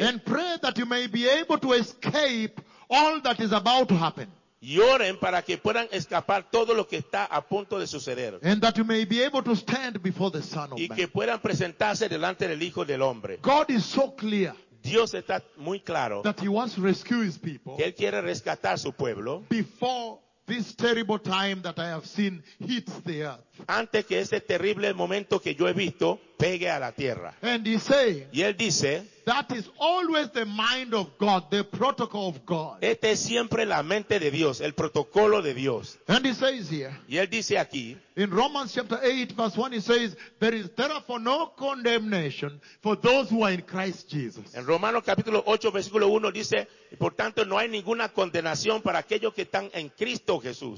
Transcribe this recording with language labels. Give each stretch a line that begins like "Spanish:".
English: And pray that you may be able to escape all that is about to happen.
Spanish: Y oren para que puedan escapar todo lo que está a punto de suceder.
English: And that you may be able to stand before the Son of Man.
Spanish: Y que puedan presentarse delante del Hijo del Hombre.
English: God is so clear.
Spanish: Dios está muy claro.
English: That he wants to rescue his people.
Spanish: Que él quiere rescatar su pueblo.
English: Before this terrible time that I have seen hits the earth.
Spanish: Antes que ese terrible momento que yo he visto pegue a la tierra.
English: And he say,
Spanish: y él dice,
English: that is always the mind of God, the protocol of God.
Spanish: Este es siempre la mente de Dios, el protocolo de Dios.
English: And he says here,
Spanish: y él dice aquí,
English: in Romans chapter 8 verse 1 he says, there is therefore no condemnation for those who are in Christ Jesus.
Spanish: En Romanos capítulo 8 versículo 1 dice, por tanto no hay ninguna condenación para aquellos que están en Cristo Jesús.